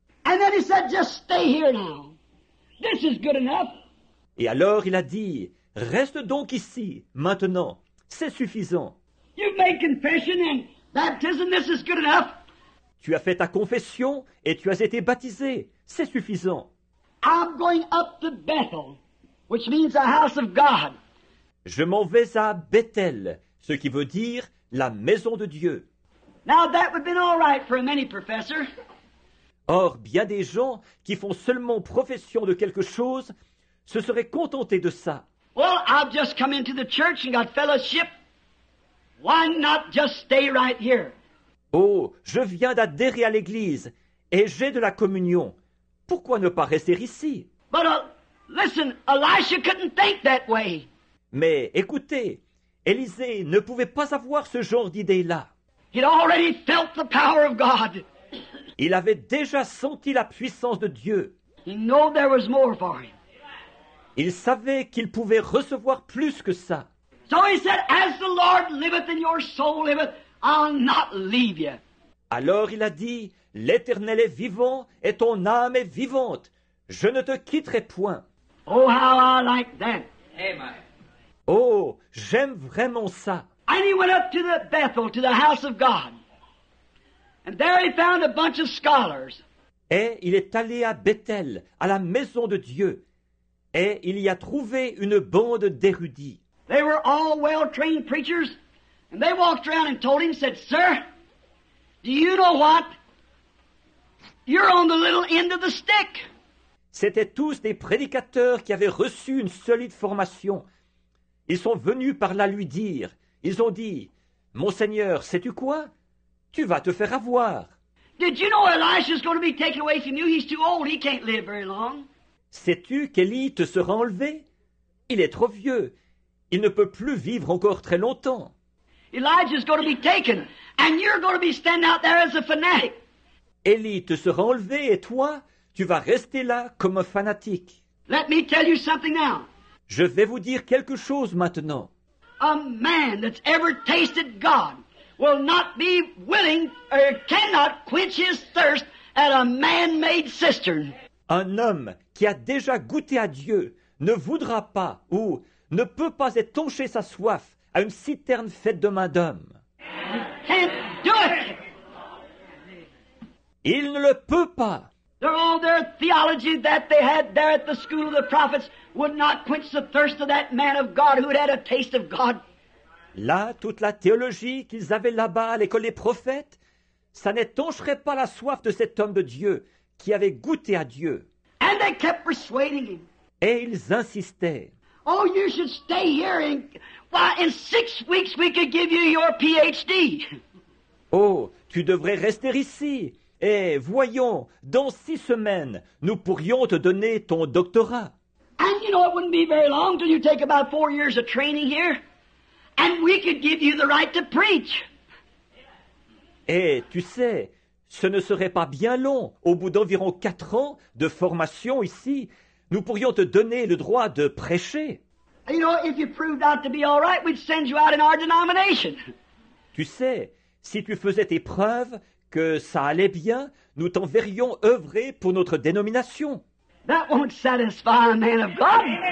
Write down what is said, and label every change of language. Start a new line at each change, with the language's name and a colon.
English: And then he said, just stay here now. This is good enough.
French: Et alors il a dit, reste donc ici, maintenant. C'est suffisant.
English: You've made confession and baptism. This is good enough.
French: Tu as fait ta confession et tu as été baptisé. C'est suffisant.
English: I'm going up to Bethel, which means the house of God.
French: Je m'en vais à Bethel, ce qui veut dire la maison de Dieu.
English: Now that would have been all right for many professors.
French: Or, bien des gens qui font seulement profession de quelque chose se seraient contentés de ça.
English: Well, I've just come into the church and got fellowship. Why not just stay right here?
French: Oh, je viens d'adhérer à l'église et j'ai de la communion. Pourquoi ne pas rester ici?
English: But, listen, Elisha couldn't think that way.
French: Mais écoutez, Élisée ne pouvait pas avoir ce genre d'idée-là.
English: He'd already felt the power of God.
French: Il avait déjà senti la puissance de Dieu.
English: He knew there was more for him.
French: Il savait qu'il pouvait recevoir plus que ça.
English: So he said, as the Lord liveth and your soul liveth, I'll not leave you.
French: Alors il a dit, l'Éternel est vivant et ton âme est vivante. Je ne te quitterai point.
English: Oh, how I like that. Amen.
French: Oh, j'aime vraiment ça.
English: And he went up to the Bethel, to the house of God. And there he found a bunch of scholars.
French: Et il est allé à Bethel, à la maison de Dieu. Et il y a trouvé une bande d'érudits.
English: They were all well-trained preachers. And they walked around and told him, said, sir, do you know what? You're on the little end of the stick.
French: C'était tous des prédicateurs qui avaient reçu une solide formation. Ils sont venus par là lui dire. Ils ont dit, Monseigneur, sais-tu quoi? Tu vas te faire avoir.
English: Did you know Elisha's going to be taken away from you? He's too old. He can't live very long.
French: Sais-tu qu'Élie te sera enlevé? Il est trop vieux. Il ne peut plus vivre encore très longtemps.
English: Elijah's going to be taken, and you're going to be standing out there as a fanatic.
French: Élie te sera enlevé et toi, tu vas rester là comme un fanatique.
English: Let me tell you something now.
French: Je vais vous dire quelque chose maintenant.
English: A man that's ever tasted God will not be willing or cannot quench his thirst at a man-made cistern.
French: Un homme qui a déjà goûté à Dieu ne voudra pas ou ne peut pas étancher sa soif à une citerne faite de main d'homme.
English: He can't do it.
French: Il ne le peut pas.
English: All their theology that they had there at the school of the prophets would not quench the thirst of that man of God who had had a taste of God.
French: Là, toute la théologie qu'ils avaient là-bas à l'école des prophètes, ça n'étancherait pas la soif de cet homme de Dieu qui avait goûté à Dieu.
English: And they kept persuading him.
French: Et ils insistaient.
English: Oh, you should stay here and why in 6 weeks we could give you your PhD.
French: Oh, tu devrais rester ici. Et voyons, dans 6 semaines, nous pourrions te donner ton doctorat.
English: And you know it wouldn't be very long till you take about 4 years of training here. And we could give you the right to preach.
French: Et tu sais, ce ne serait pas bien long. Au bout d'environ 4 ans de formation ici, nous pourrions te donner le droit de prêcher.
English: You know, if you proved out to be all right, we'd send you out in our denomination.
French: Tu sais, si tu faisais tes preuves que ça allait bien, nous t'enverrions œuvrer pour notre dénomination.
English: That won't satisfy a man of God.